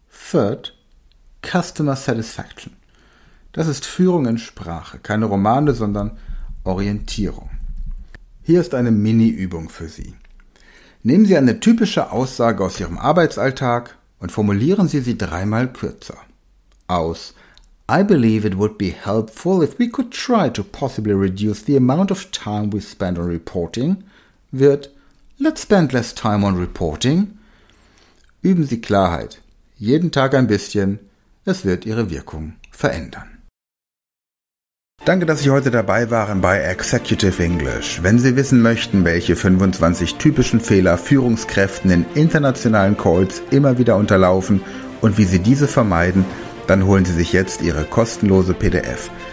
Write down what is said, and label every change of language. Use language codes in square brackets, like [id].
[en] Third, Customer Satisfaction. [de] Das ist Führung in Sprache, keine Romane, sondern Orientierung. Hier ist eine Mini-Übung für Sie. Nehmen Sie eine typische Aussage aus Ihrem Arbeitsalltag und formulieren Sie sie 3-mal kürzer. [en] Aus I believe it would be helpful if we could try to possibly reduce the amount of time we spend on reporting wird Let's spend less time on reporting. [de] Üben Sie Klarheit. Jeden Tag ein bisschen, es wird Ihre Wirkung verändern. Danke, dass Sie heute dabei waren bei Executive English. Wenn Sie wissen möchten, welche 25 typischen Fehler Führungskräften in internationalen Calls immer wieder unterlaufen und wie Sie diese vermeiden, dann holen Sie sich jetzt Ihre kostenlose PDF.